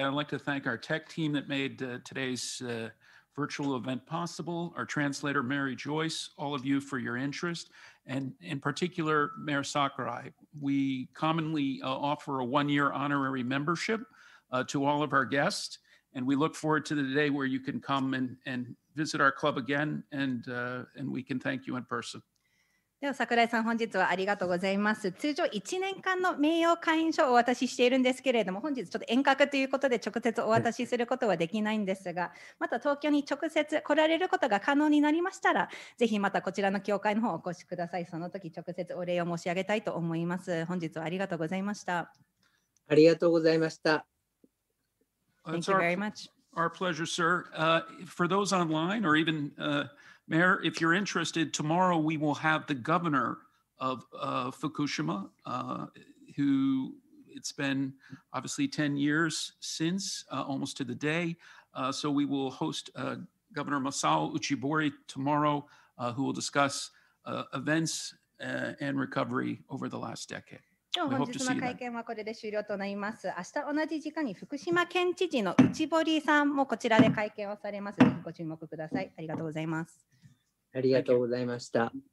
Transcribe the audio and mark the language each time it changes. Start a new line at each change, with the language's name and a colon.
English: I'd like to thank our tech team that made today's virtual event possible, our translator, Mary Joyce, all of you for your interest, and in particular, Mayor Sakurai. We commonly offer a one-year honorary membership to all of our guests, and we look forward to the day where you can come and visit our club again, and we can thank you in person.
Japanese: では桜井さん本日はありがとうございます。通常1年間の名誉会員証をお渡ししているんですけれども、本日ちょっと遠隔ということで直接お渡しすることはできないんですが、また東京に直接来られることが可能になりましたら、ぜひまたこちらの協会の方お越しください。その時直接お礼を申し上げたいと思います。本日はありがとうございました。ありがとうございました。
English: Thank you very much. Our pleasure, sir. For those online or even, Mayor, if you're interested, tomorrow we will have the governor of Fukushima, who it's been obviously 10 years since, almost to the day. So we will host Governor Masao Uchibori tomorrow, who will discuss events and recovery over the last decade.
Japanese: 本日の会見はこれで終了となります。明日同じ時間に福島県知事の内堀さんもこちらで会見をされます。ご注目ください。ありがとうございます。ありがとうございました。